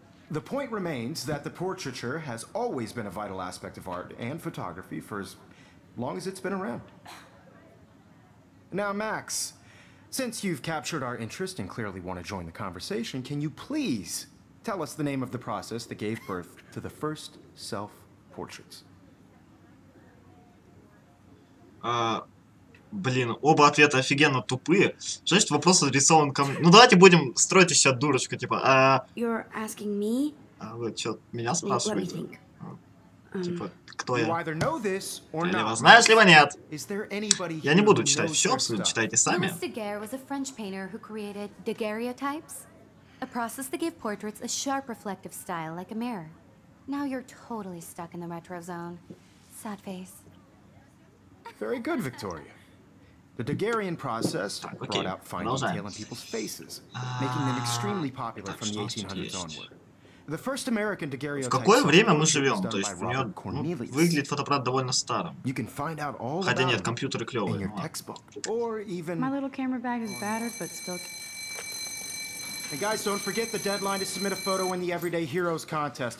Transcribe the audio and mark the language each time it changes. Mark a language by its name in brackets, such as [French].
[English] The point remains that the portraiture has always been a vital aspect of art and photography for as long as it's been around. Now, Max, since you've captured our interest and clearly want to join the conversation, can you please tell us the name of the process that gave birth to the first self-portraits? [Russian] Блин, оба ответа офигенно тупые. Значит, вопрос адресован ко мне. Ну, давайте будем строить из себя дурочку, типа, [English] You're asking me? [Russian] А вы что, меня спрашиваете? Wait, типа, кто я? [English] You either know this or not. [Russian] Ты либо знаешь, либо нет. Я не буду читать все, абсолютно читайте сами. [English] Луис Дегер was a French painter who created daguerreotypes, a process that gave portraits a sharp reflective style, like a mirror. Now you're totally stuck in the retro zone. Sad face. Very good, Victoria. The Daguerrean process brought out fine detail in people's faces, making them extremely popular from the 1800s onward. The first American daguerreotype. [Russian] В какое время мы живем? То есть у него, ну, выглядит фотоаппарат довольно старым. Хотя нет, компьютеры клевые. [English] My little camera bag is battered, but still. Hey guys, don't forget the deadline to submit a photo in the Everyday Heroes contest.